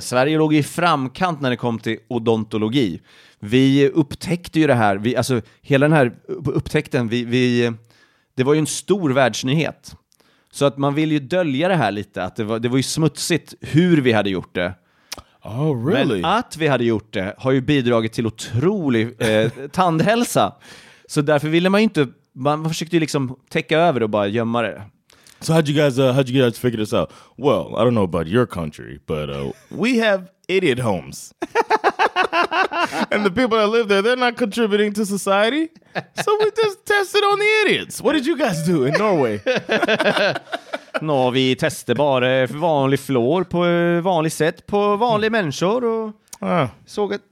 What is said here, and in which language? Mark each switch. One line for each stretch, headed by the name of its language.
Swedish: Sverige låg i framkant när det kom till odontologi. Vi upptäckte ju det här, alltså hela den här upptäckten, det var ju en stor världsnyhet. Så att man ville ju dölja det här lite, att det var ju smutsigt hur vi hade gjort det.
English: Oh, really?
Swedish: Men att vi hade gjort det har ju bidragit till otrolig tandhälsa. Så därför ville man ju inte, man försökte ju liksom täcka över och bara gömma det.
English: So how'd you guys figure this out? Well, I don't know about your country, but we have idiot homes. And the people that live there, they're not contributing to society. So we just tested on the idiots. What did you guys do in Norway?
Swedish: Nå, vi testade bara vanlig flor på vanligt sätt på vanliga människor och såg att...